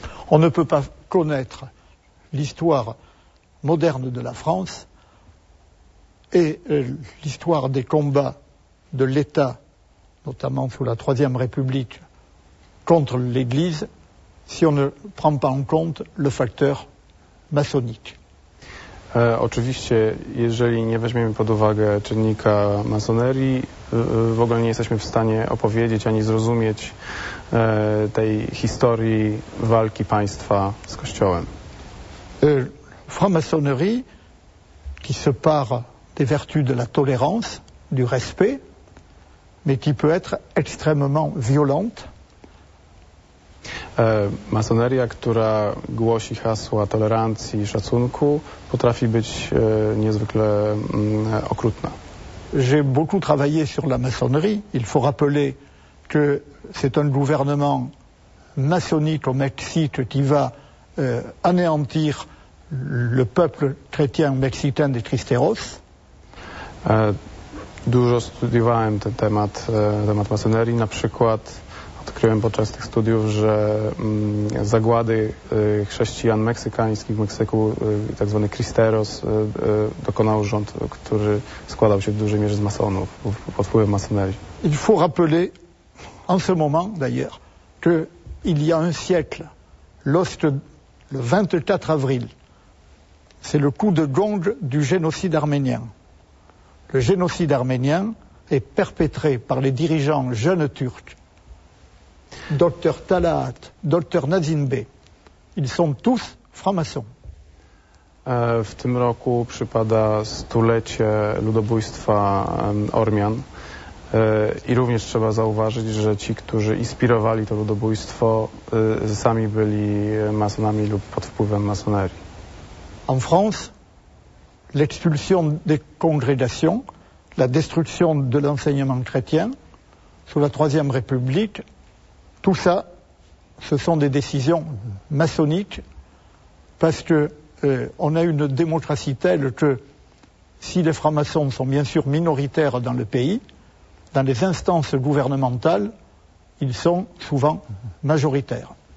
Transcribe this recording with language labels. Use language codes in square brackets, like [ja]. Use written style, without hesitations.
[fr] On ne peut pas connaître l'histoire moderne de la France et l'histoire des combats de l'État, notamment sous la Troisième République, contre l'Église, si on ne prend pas en compte le facteur maçonnique. [pl] Oczywiście, jeżeli nie weźmiemy pod uwagę czynnika masonerii, w ogóle nie jesteśmy w stanie opowiedzieć ani zrozumieć tej historii walki państwa z Kościołem. [fr] Franc-maçonnerie, qui se pare des vertus de la tolérance, du respect, mais qui peut être extrêmement violente. [pl] Masoneria, która głosi hasła tolerancji i szacunku, potrafi być niezwykle okrutna. [fr] J'ai beaucoup travaillé sur la maçonnerie. Il faut rappeler que c'est un gouvernement maçonnique au Mexique qui va anéantir le peuple chrétien mexicain des Tristeros. [pl] Dużo studiowałem ten temat, temat masonerii, na przykład. Odkryłem podczas tych studiów, że zagłady chrześcijan meksykańskich w Meksyku, tak zwany Cristeros, dokonał rząd, który składał się w dużej mierze z masonów, pod wpływem masonerii. [fr] Il faut rappeler, en ce moment d'ailleurs, que il y a un siècle, lorsque le 24 avril, c'est le coup de gong du génocide arménien. Le génocide arménien est perpétré par les dirigeants jeunes turcs. Dr Talaat, Dr Nazinbe, ils sont tous francs-maçons. [pl] W tym roku przypada stulecie ludobójstwa Ormian. I również trzeba zauważyć, że ci, którzy inspirowali to ludobójstwo, sami byli masonami lub pod wpływem masonerii. [fr] En France, l'expulsion des congrégations, la destruction de l'enseignement chrétien, sous la Troisième République, tout ça, ce sont des décisions maçonniques, parce que on a une démocratie telle que si les francs-maçons sont bien sûr minoritaires dans le pays, dans les instances gouvernementales, ils sont souvent majoritaires.